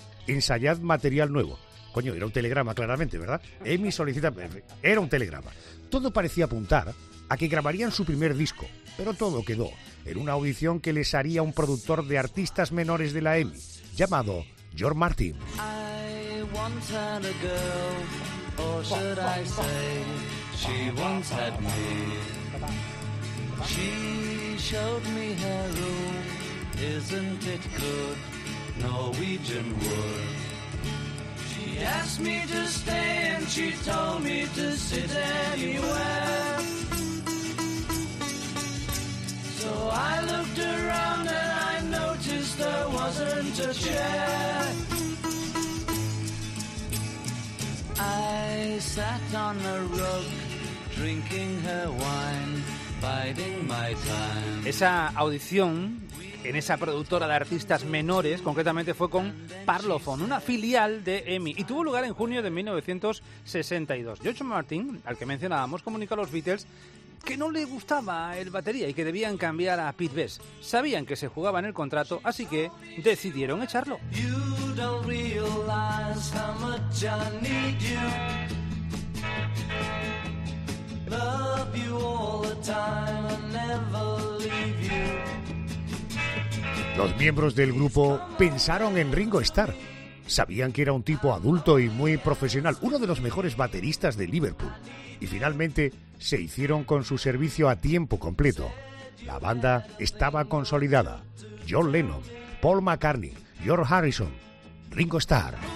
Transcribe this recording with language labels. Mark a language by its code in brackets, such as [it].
[es] Ensayad material nuevo. Coño, era un telegrama claramente, ¿verdad? Emi solicita... Era un telegrama. Todo parecía apuntar a que grabarían su primer disco, pero todo quedó en una audición que les haría un productor de artistas menores de la Emi, llamado George Martin. [en] I want a girl, or should I say, she once had me. She showed me her room, isn't it good, Norwegian wood. She asked me to stay and she told me to sit anywhere. So I looked around and I noticed there wasn't a chair. I sat on the rug, drinking her wine, biding my time. [es] Esa audición en esa productora de artistas menores, concretamente fue con Parlophone, una filial de EMI, y tuvo lugar en junio de 1962. George Martin, al que mencionábamos, comunicó a los Beatles que no le gustaba el batería y que debían cambiar a Pete Best. Sabían que se jugaba en el contrato, así que decidieron echarlo. [en] You don't realize how much I need you. Love you all the time, I'll never leave you. [es] Los miembros del grupo pensaron en Ringo Starr. Sabían que era un tipo adulto y muy profesional, uno de los mejores bateristas de Liverpool. Y finalmente se hicieron con su servicio a tiempo completo. La banda estaba consolidada. John Lennon, Paul McCartney, George Harrison, Ringo Starr.